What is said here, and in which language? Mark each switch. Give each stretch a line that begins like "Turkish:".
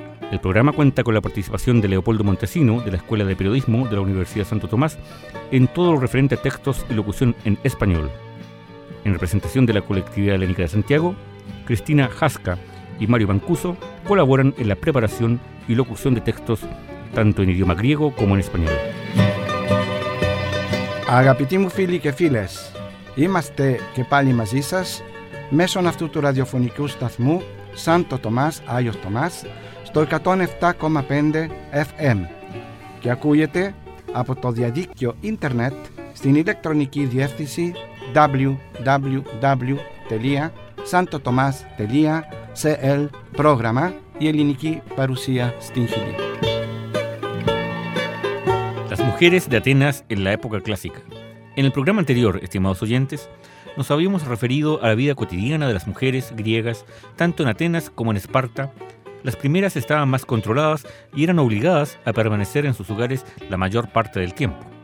Spanish: El programa cuenta con la participación de Leopoldo Montesino, de la Escuela de Periodismo de la Universidad Santo Tomás, en todo lo referente a textos y locución en español. En representación de la Colectividad Helénica de Santiago, Cristina Jasca y Mario Mancuso colaboran en la preparación y locución de textos, tanto en idioma griego como en español.
Greek: Αγαπητοί φίλοι και φίλες, είμαστε και πάλι μαζί σας μέσω αυτού του ραδιοφωνικού σταθμού Σάντο Τομάς, Άγιος Τομάς, στο 107,5 FM και ακούγεται από το διαδίκτυο ίντερνετ στην ηλεκτρονική διεύθυνση www.santotomas.cl πρόγραμμα η ελληνική παρουσία στην Χιλή.
Spanish: Mujeres de Atenas en la época clásica. En el programa anterior, estimados oyentes, nos habíamos referido a la vida cotidiana de las mujeres griegas, tanto en Atenas como en Esparta. Las primeras estaban más controladas y eran obligadas a permanecer en sus hogares la mayor parte del tiempo.